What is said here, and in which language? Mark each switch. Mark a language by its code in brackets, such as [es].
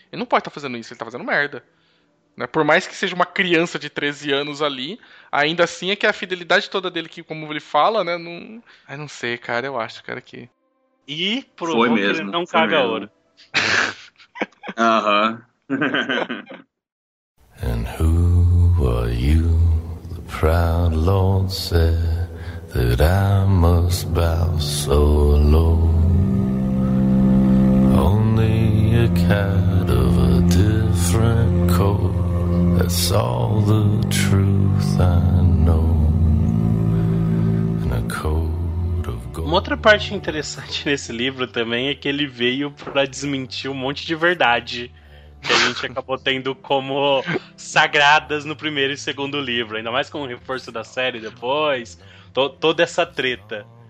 [pt] Ele não pode estar fazendo isso, ele tá fazendo merda. Né? Por mais que seja uma criança de 13 anos ali, ainda assim é que a fidelidade toda dele, que como ele fala, né? Não... Ai, não sei, cara, eu acho, cara, que... E provou que ele não caga ouro. Aham. [en] And who are you, the proud lord said, that I must bow so low? Only a cat of a different coat, that's all the truth I know. And a coat. [pt] Uma outra parte interessante nesse livro também é que ele veio pra desmentir um monte de verdade que a gente acabou tendo como sagradas no primeiro e segundo livro, ainda mais com o reforço da série depois, toda essa treta.